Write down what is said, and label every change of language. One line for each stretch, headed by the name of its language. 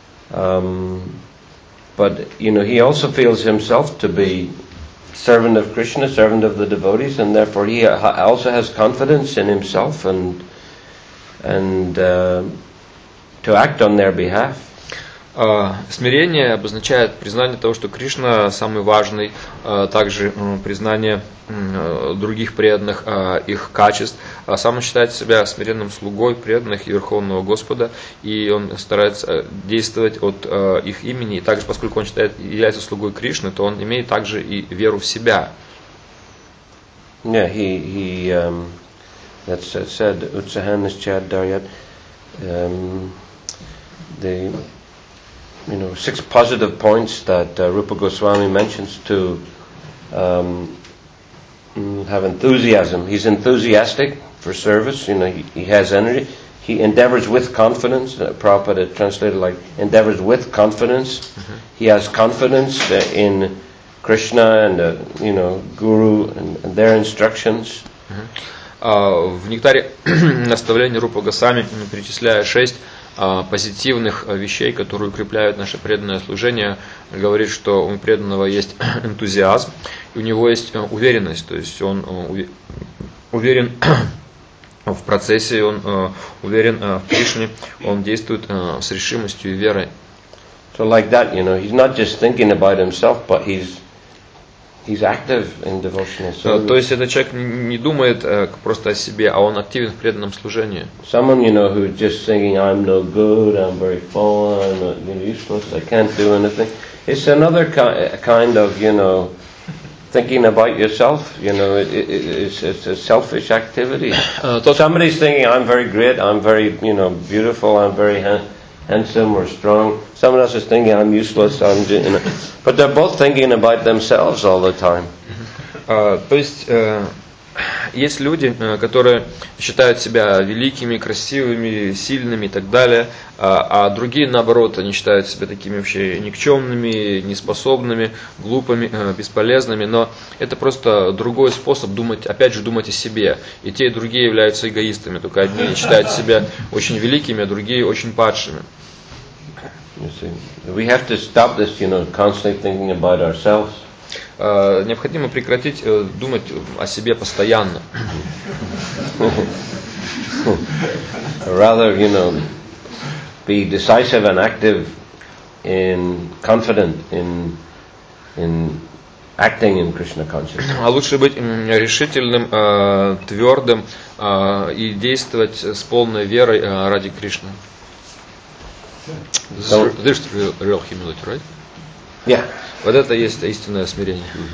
English: But you know, he also feels himself to be servant of Krishna, servant of the devotees, and therefore he also has confidence in himself and to act on their behalf.
Russian: Смирение обозначает признание того, что Кришна самый важный, также признание других преданных, их качеств. Сам он считает себя смиренным слугой преданных и Верховного Господа, и он старается действовать от их имени. И также, поскольку он считает, является слугой Кришны, то он имеет также и веру в себя.
English: Yeah, that's said, Utsahanas Chad Daryat, the, you know, six positive points that Rupa Goswami mentions to have enthusiasm. He's enthusiastic for service, you know, he has energy. He endeavors with confidence. Prabhupada translated like endeavors with confidence. Mm-hmm. He has confidence in Krishna and, you know, Guru and their instructions.
Russian: В нектаре наставления Рупа Госвами перечисляя шесть позитивных вещей, которые укрепляют наше преданное служение, говорит, что у преданного есть энтузиазм, и у него есть уверенность, то есть он уверен в процессе, он уверен в Кришне, он действует с решимостью и верой.
English: So like that, you know, he's not just thinking about himself, but he's active in devotional service.
Russian: То есть этот человек не думает просто о себе, а он активен в преданном служении.
English: Someone, you know, who's just thinking, I'm no good, I'm very poor, I'm not, you know, useless, I can't do anything. It's another kind of, you know, thinking about yourself, you know, it's a selfish activity. Somebody's thinking, I'm very great, I'm very, you know, beautiful, I'm very handsome or strong. Someone else is thinking, I'm useless, I'm, you know. But they're both thinking about themselves all the time.
Russian: То есть есть люди, которые считают себя великими, красивыми, сильными и так далее, а другие, наоборот, они считают себя такими вообще никчемными, неспособными, глупыми, бесполезными. Но это просто другой способ думать, опять же, думать о себе. И те, и другие являются эгоистами. Только одни считают себя очень великими, а другие очень падшими.
English: We have to stop this, you know, constantly thinking about ourselves.
Russian: Необходимо прекратить думать о себе постоянно.
English: Rather, you know, be decisive and active in confident in acting in Krishna consciousness.
Russian: А лучше быть решительным, твердым и действовать с полной верой ради Кришны.
English: This is real humility, right? Yeah.
Russian: Вот это есть истинное смирение.